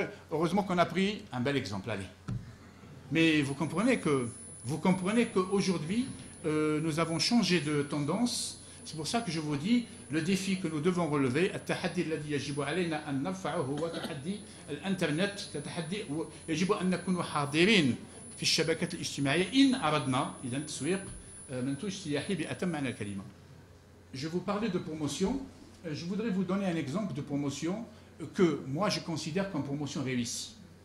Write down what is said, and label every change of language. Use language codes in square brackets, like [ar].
[fr] Heureusement qu'on a pris un bel exemple, allez. Mais vous comprenez qu'aujourd'hui, nous avons changé de tendance. [ar] C'est pour ça que je vous dis, le défi que nous devons relever, « التحدي الذي يجب علينا أن نرفعه هو تحدي الانترنت تتحدي يجب أن نكون حاضرين في الشبكات الاجتماعية إن أردنا إذا تسويق منتوج سياحي بأتم معنى الكلمة. » Je vous parlais de promotion. [fr] Je voudrais vous donner un exemple de promotion que moi je considère comme promotion réussie.